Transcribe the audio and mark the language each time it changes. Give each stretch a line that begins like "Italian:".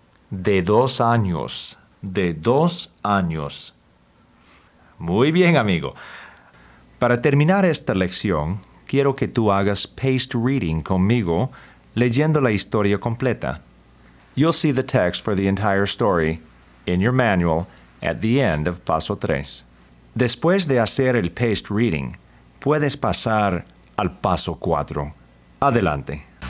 Spanish: De dos años. Muy bien, amigo. Para terminar esta lección, quiero que tú hagas paced reading conmigo, leyendo la historia completa.
English: You'll see the text for the entire story in your manual at the end of paso 3.
Spanish: Después de hacer el paced reading, puedes pasar al paso 4. Adelante.